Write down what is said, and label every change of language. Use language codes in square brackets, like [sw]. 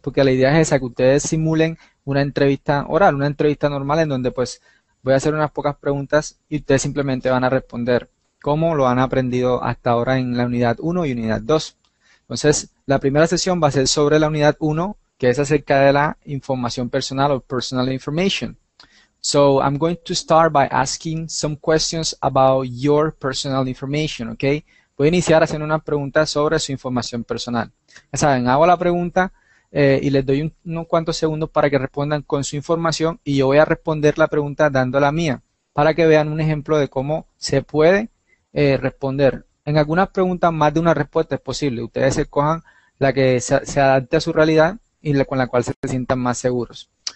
[es] Porque la idea es esa, que ustedes simulen una entrevista oral, una entrevista normal en donde pues voy a hacer unas pocas preguntas y ustedes simplemente van a responder como lo han aprendido hasta ahora en la unidad 1 y unidad 2. Entonces, la primera sesión va a ser sobre la unidad 1, que es acerca de la información personal [en] or personal information. So I'm going to start by asking some questions about your personal information, okay? [es] Voy a iniciar haciendo una pregunta sobre su información personal. Ya saben, hago la pregunta y les doy unos cuantos segundos para que respondan con su información y yo voy a responder la pregunta dando la mía para que vean un ejemplo de cómo se puede responder. En algunas preguntas más de una respuesta es posible. Ustedes escojan la que se adapte a su realidad y con la cual se sientan más seguros.